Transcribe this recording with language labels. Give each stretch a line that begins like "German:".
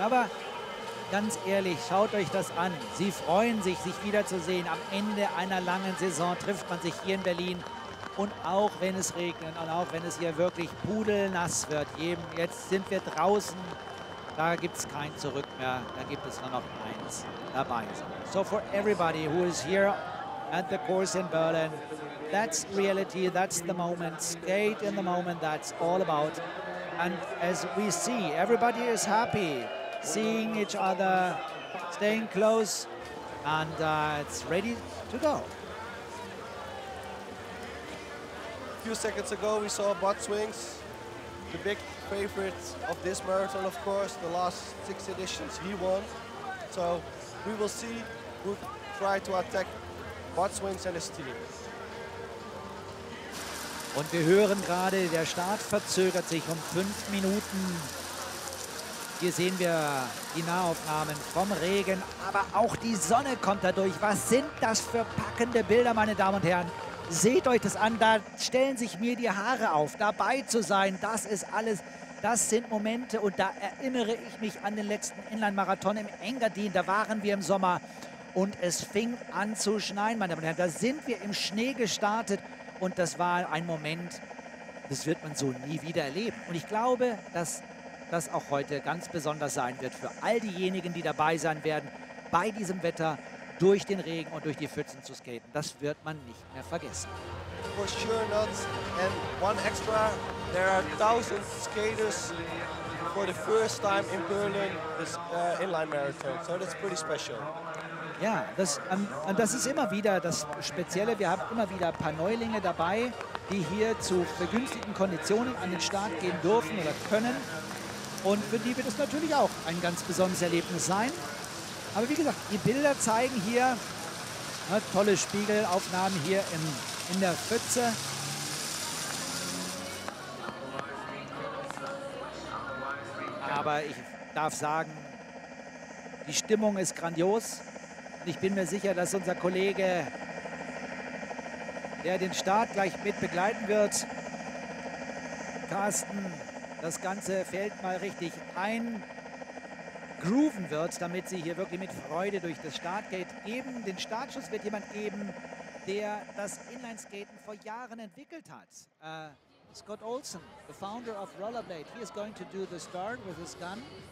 German: Aber ganz ehrlich, schaut euch das an. Sie freuen sich, sich wiederzusehen. Am Ende einer langen Saison trifft man sich hier in Berlin. Und auch wenn es regnet und auch wenn es hier wirklich pudelnass wird, eben jetzt sind wir draußen, da gibt es kein Zurück mehr. Da gibt es nur noch eins dabei.
English: So for everybody who is here at the course in Berlin, that's reality, that's the moment. Skate in the moment, that's all about. And as we see, everybody is happy seeing each other, staying close, and it's ready to go. A few seconds ago we saw Bart Swings, the big favorite of this marathon, of course, the last 6 editions he won. So we will see who try to attack Bart Swings and his team.
German: Und wir hören gerade, der Start verzögert sich um 5 Minuten. Hier sehen wir die Nahaufnahmen vom Regen, aber auch die Sonne kommt dadurch. Was sind das für packende Bilder, meine Damen und Herren? Seht euch das an, da stellen sich mir die Haare auf. Dabei zu sein, das ist alles, das sind Momente. Und da erinnere ich mich an den letzten Inline-Marathon im Engadin. Da waren wir im Sommer und es fing an zu schneien, meine Damen und Herren. Da sind wir im Schnee gestartet und das war ein Moment, das wird man so nie wieder erleben. Und ich glaube, dass das auch heute ganz besonders sein wird für all diejenigen, die dabei sein werden, bei diesem Wetter durch den Regen und durch die Pfützen zu skaten. Das wird man nicht mehr vergessen.
English: For sure not. And one extra, there are thousands skaters for the first time in Berlin this inline marathon. So that's pretty special.
German: Ja, das, das ist immer wieder das Spezielle. Wir haben immer wieder ein paar Neulinge dabei, die hier zu begünstigten Konditionen an den Start gehen dürfen oder können. Und für die wird es natürlich auch ein ganz besonderes Erlebnis sein. Aber wie gesagt, die Bilder zeigen hier, ne, tolle Spiegelaufnahmen hier in der Pfütze. Aber ich darf sagen, die Stimmung ist grandios. Ich bin mir sicher, dass unser Kollege, der den Start gleich mit begleiten wird, Carsten, das ganze Feld mal richtig eingrooven wird, damit sie hier wirklich mit Freude durch das Startgate geben. Den Startschuss wird jemand geben, der das Inlineskaten vor Jahren entwickelt hat.
English: Scott Olsen, the founder of Rollerblade, he is going to do the start with his gun.